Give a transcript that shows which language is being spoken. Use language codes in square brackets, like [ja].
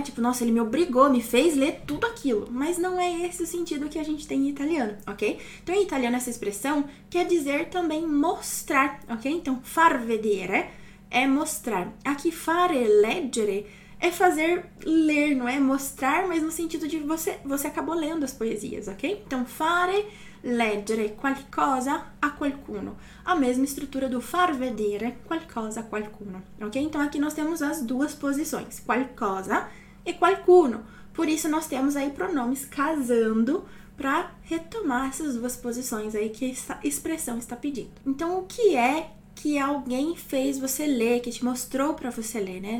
[pt] Tipo, nossa, ele me obrigou, me fez ler tudo aquilo. Mas não é esse o sentido que a gente tem em italiano, ok? Então, em italiano, essa expressão quer dizer também mostrar, ok? Então, far vedere é mostrar. Aqui, fare leggere é fazer ler, não é? Mostrar, mas no sentido de você acabou lendo as poesias, ok? [it] Então, fare leggere qualcosa a qualcuno. A mesma estrutura do far vedere qualcosa a qualcuno, ok? [pt] Então aqui nós temos as duas posições, qualcosa e qualcuno. Por isso nós temos aí pronomes casando para retomar essas duas posições aí que essa expressão está pedindo. Então o que é que alguém fez você ler, que te mostrou para você ler, né?